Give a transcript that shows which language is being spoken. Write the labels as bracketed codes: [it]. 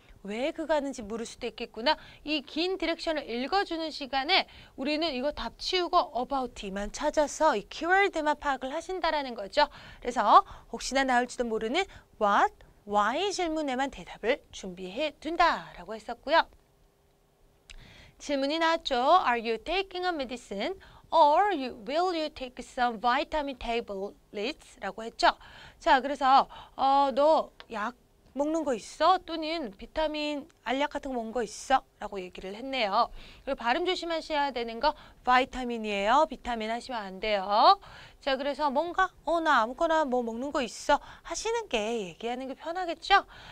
[ko] 왜 그거 하는지 물을 수도 있겠구나. 이 긴 디렉션을 읽어주는 시간에 우리는 이거 답 치우고 about만 찾아서 이 keyword만 파악을 하신다라는 거죠. 그래서 혹시나 나올지도 모르는 what, why 질문에만 대답을 준비해 둔다라고 했었고요. 질문이 나왔죠. [en] Are you taking a medicine or will you take some vitamin tablets? [ko] 라고 했죠. 자, 그래서 너 약 먹는 거 있어? 또는 비타민 알약 같은 거 먹는 거 있어? 라고 얘기를 했네요. 그리고 발음 조심하셔야 되는 거 비타민이에요. 비타민 하시면 안 돼요. 자, 그래서 뭔가 나 아무거나 뭐 먹는 거 있어? 하시는 게 얘기하는 게 편하겠죠?